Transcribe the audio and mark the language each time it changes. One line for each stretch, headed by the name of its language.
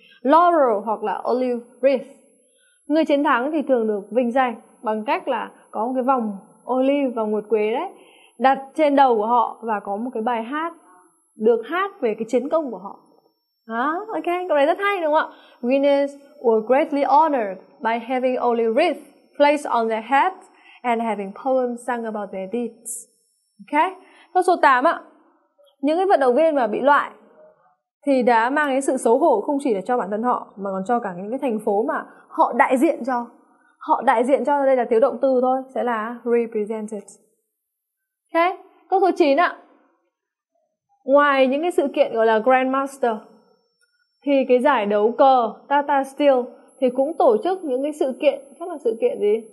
Vietnamese: Laurel hoặc là olive wreath. Người chiến thắng thì thường được vinh danh bằng cách là có một cái vòng olive, vòng nguyệt quế đấy đặt trên đầu của họ và có một cái bài hát được hát về cái chiến công của họ. Đó, ok, câu này rất hay đúng không ạ?
English: Winners were greatly honored by having only wreath placed on their heads and having poems sung about their deeds.
Vietnamese: Ok, câu số 8 ạ. Những cái vận động viên mà bị loại thì đã mang đến sự xấu hổ không chỉ là cho bản thân họ mà còn cho cả những cái thành phố mà họ đại diện cho. Họ đại diện cho, đây là thiếu động từ thôi, sẽ là represented. Ok, câu số 9 ạ. Ngoài những cái sự kiện gọi là Grandmaster thì cái giải đấu cờ Tata Steel thì cũng tổ chức những cái sự kiện, chắc là sự kiện gì?